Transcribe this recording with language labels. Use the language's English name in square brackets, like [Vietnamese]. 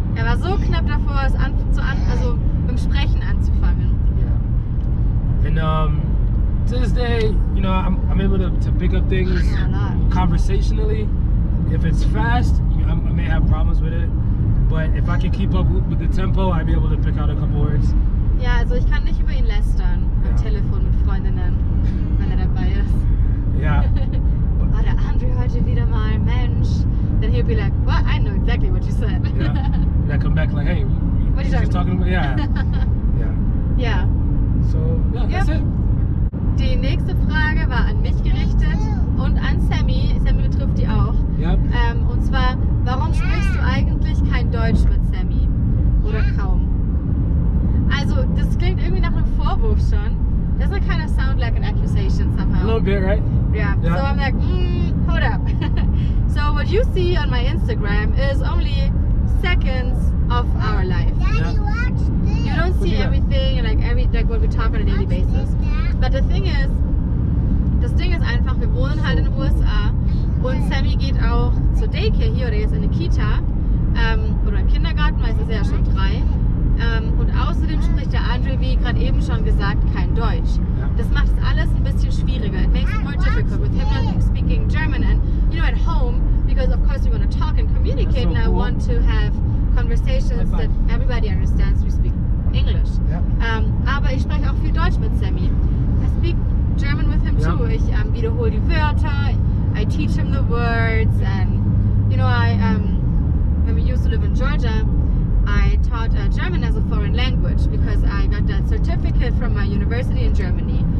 [German] Er war so knapp davor, beim Sprechen anzufangen. [English] And to this day, you know, I'm able to pick up things conversationally. If it's fast, I may have problems with it. But if I can keep up with the tempo, I'd be able to pick out a couple words. [German] Ja, also ich kann nicht über ihn lästern am Telefon mit Freundinnen, wenn er dabei ist. [English] Yeah. [German] Oh, der Andre heute wieder mal, Mensch. [English] Then he'll be like, well, I know exactly what you said. Yeah. And I come back like, hey, what are you talking about? Yeah. Yeah. So, [German] die nächste Frage war an mich gerichtet und an Sammy. Sammy betrifft die auch. Yep. Und zwar, warum sprichst du eigentlich kein Deutsch mit Sammy? Oder kaum? Also, das klingt irgendwie nach einem Vorwurf schon. [English] Does it kind of sound like an accusation somehow? A little bit, right? Yeah. Yep. So I'm like, hold up. So what you see on my Instagram is only seconds of our life. Daddy, you don't see everything, like what we talk on a daily basis. But the thing is [German] einfach, wir wohnen halt in den USA und Sammy geht auch zur Daycare hier, oder jetzt in die Kita, oder im Kindergarten, weil es ist ja schon 3. Und außerdem spricht der Andre, wie gerade eben schon gesagt, kein Deutsch. Das macht es alles ein bisschen schwieriger. [English] It makes it more difficult with him not speaking German and, you know, at home, because of course we want to talk and communicate, so cool. And I want to have conversations that everybody understands. We speak English. Yeah. [German] Aber ich spreche auch viel Deutsch mit Sammy. [English] I speak German with him too. [German] Ich wiederhole die Wörter. [English] I teach him the words and You know, I when we used to live in Georgia, I taught German as a foreign language because I got that certificate from my university in Germany.